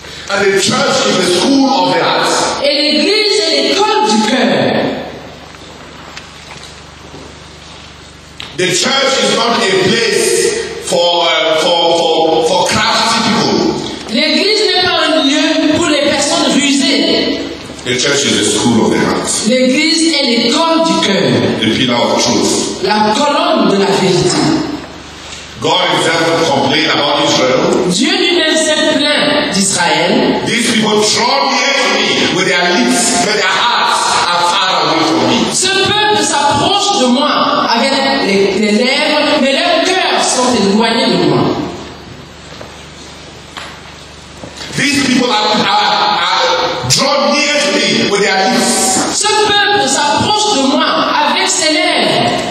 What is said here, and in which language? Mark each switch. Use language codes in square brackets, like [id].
[en] And the church is the school of the heart. [fr] Et l'église est l'école du cœur. [en] The church is not a place for crafty people. [fr] L'église n'est pas un lieu pour les personnes rusées. [en] The church is the school of the heart. [fr] L'église est l'école du cœur. [en] The pillar of truth. [fr] La colonne de la vérité. [en] God himself complained about Israel. [fr] Dieu lui-même s'est plaint d'Israël. [en] These people draw near to me with their lips, but their hearts are far away from me. [fr] Ce peuple s'approche de moi avec les lèvres, mais leurs cœurs sont éloignés de moi. [en] These people are draw near to me with their lips. [fr] Ce peuple s'approche de moi avec ses lèvres,